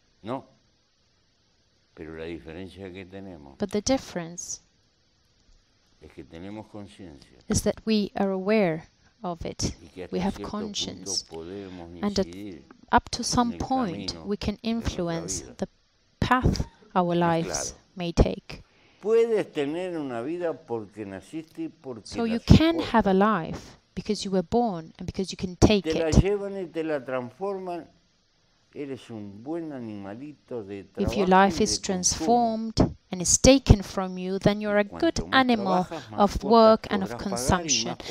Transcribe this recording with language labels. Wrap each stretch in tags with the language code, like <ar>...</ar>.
<es>No. Pero la diferencia que tenemos,</es> <en>but the difference</en> <es>es que tenemos conciencia,</es> <en>is that we are aware of it. We have conscience. And up to some point, we can influence the path our lives</en> <es>claro.</es> <en>May take.</en> <es>Puedes tener una vida porque naciste y porque</es> <en>so you can have a life because you were born and because you can take</en> <es>te la</es> <en>it.</en> <es>Llevan y te la transforman. Eres un buen animalito de trabajo.</es> <en>If your life is transformed and is taken from you, then you're a good animal of work and of consumption.</en>